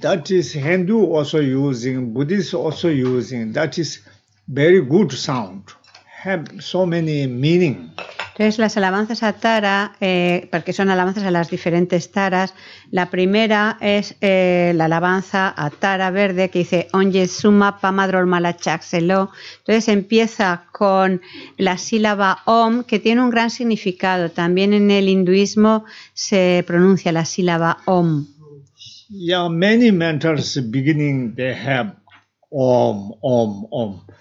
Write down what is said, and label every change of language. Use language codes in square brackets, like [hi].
[en] That is Hindu also using, Buddhist also using. That is very good sound. Have so many meaning. [es] Entonces, las alabanzas a Tara, porque son alabanzas a las diferentes Taras, la primera es la alabanza a Tara verde, que dice Om Jitsuma Pama Dhamala Cha Chelo. Entonces, empieza con la sílaba Om, que tiene un gran significado. También en el hinduismo se pronuncia la sílaba Om. [en] Yeah, many mentors beginning they have Om, Om, Om.